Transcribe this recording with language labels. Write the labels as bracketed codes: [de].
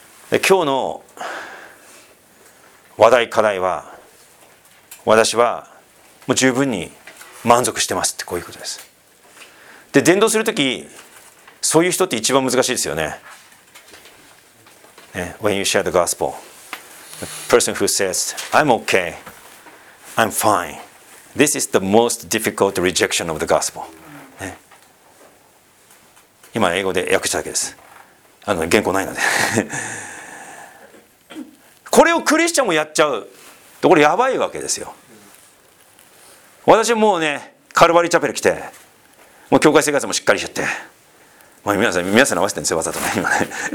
[ja] で、今日の話題課題は、私はもう十分に満足してますって、こういうことです。で、伝道するとき、そういう人って一番難しいですよね。 [en] When you share the gospel, the person who says, I'm okay, I'm fine. This is the most difficult rejection of the gospel.、ね、 [ja] 今英語で訳しただけです。あの、原稿ないので。これをクリスチャンもやっちゃうと、これやばいわけですよ。私もうね、カルバリーチャペル来て、もう教会生活もしっかりしちゃって、まあ、皆さん合わせてるんですよ、わざとね、今ね。